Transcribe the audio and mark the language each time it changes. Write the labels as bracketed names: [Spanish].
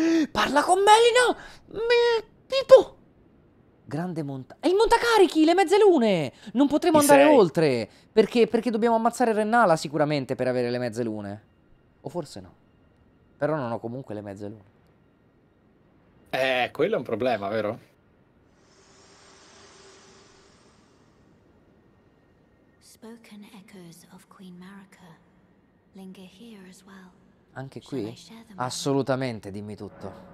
[Italian] Parla con Melina! Pipo! Grande montagna. È il montacarichi, le mezze lune! Non potremo andare oltre! Perché dobbiamo ammazzare Rennala sicuramente per avere le mezze lune. O forse no. Però non ho comunque le mezze lune. Quello è un problema, vero? [English] Spoken echoes of Queen Marika linger here as well. [Italian] Anche qui? Assolutamente, dimmi tutto.